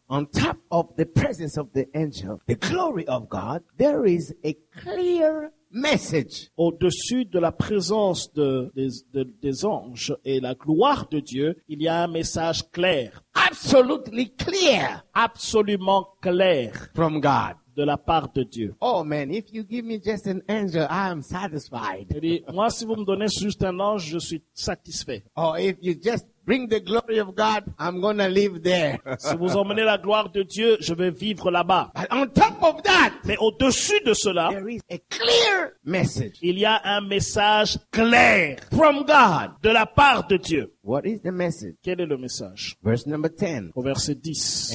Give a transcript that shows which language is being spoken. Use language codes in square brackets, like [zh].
[en] On top of the presence of the angel, the glory of God, there is a clear message. [fr] Au-dessus de la présence des anges et la gloire de Dieu, il y a un message clair. [en] Absolutely clear. [fr] Absolument clair. [en] From God. [fr] De la part de Dieu. [en] Oh man, if you give me just an angel, I am satisfied. [fr] Dit, moi, si vous me donnez juste un ange, je suis satisfait. [en] Oh, if you just bring the glory of God, I'm gonna live there. [fr] Si vous emmenez la gloire de Dieu, je vais vivre là-bas. [en] But on top of that, [fr] mais au-dessus de cela, [en] there is a clear message. [fr] Il y a un message clair [en] from God, [fr] de la part de Dieu. [en] What is the message? [fr] Quel est le message? [en] Verse number 10. [fr] Au verset 10.